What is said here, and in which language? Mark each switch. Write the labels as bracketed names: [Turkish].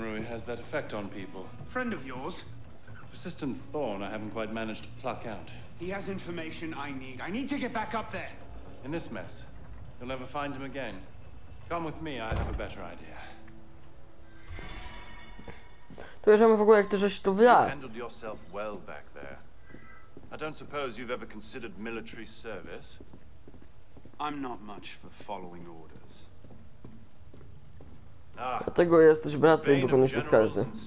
[English] Has that effect on people? Friend of yours? persistent thorn I haven't quite managed to pluck out. He has information I need. I need to get back up there. In this mess, you'll never find him again. Come with me, I have a better idea. [Polish] To już mamy w ogóle, jak ty żeś tu wlazł. [English] Well back there. I don't suppose you've ever considered military service. I'm not much for following orders. [Polish] Dlatego jesteś bratwem, bo on się skarży.